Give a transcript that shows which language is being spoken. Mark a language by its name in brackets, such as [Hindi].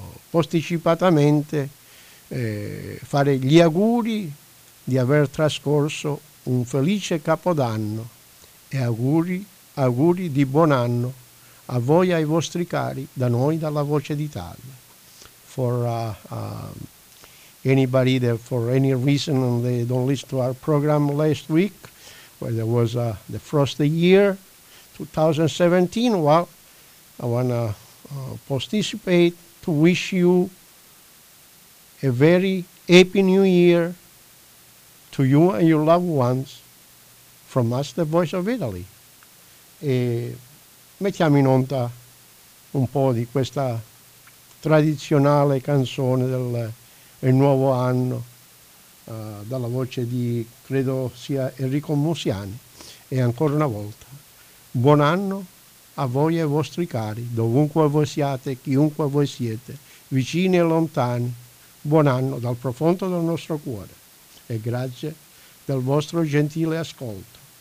[Italian] posticipatamente fare gli auguri di aver trascorso un felice Capodanno e auguri di buon anno a voi e ai vostri cari da noi dalla Voce d'Italia. [English] For anybody that for any reason they don't listen to our program last week, where there was the frosty year 2017, well, I want to participate to wish you a very happy new year to you and your loved ones from us, the Voice of Italy. [Italian] E mettiamo in onda un po' di questa tradizionale canzone del nuovo anno dalla voce di, credo sia Enrico Musiani, e ancora una volta buon anno a voi e ai vostri cari, dovunque voi siate, chiunque voi siete, vicini e lontani, buon anno dal profondo del nostro cuore e grazie del vostro gentile ascolto.